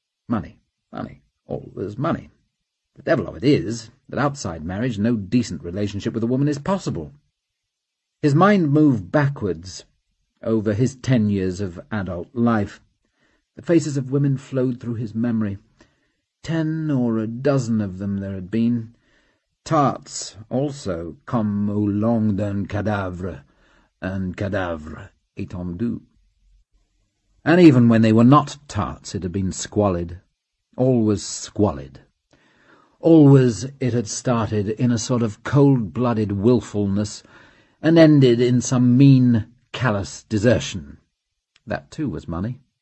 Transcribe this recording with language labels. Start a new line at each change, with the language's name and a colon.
English: Money, money, always money. The devil of it is that outside marriage no decent relationship with a woman is possible. His mind moved backwards over his 10 years of adult life. The faces of women flowed through his memory. 10 or 12 of them there had been. Tarts, also,
French: comme au long d'un cadavre, un cadavre étendu.
English: And even when they were not tarts, it had been squalid, always squalid. Always it had started in a sort of cold-blooded wilfulness, and ended in some mean, callous desertion. That, too, was money.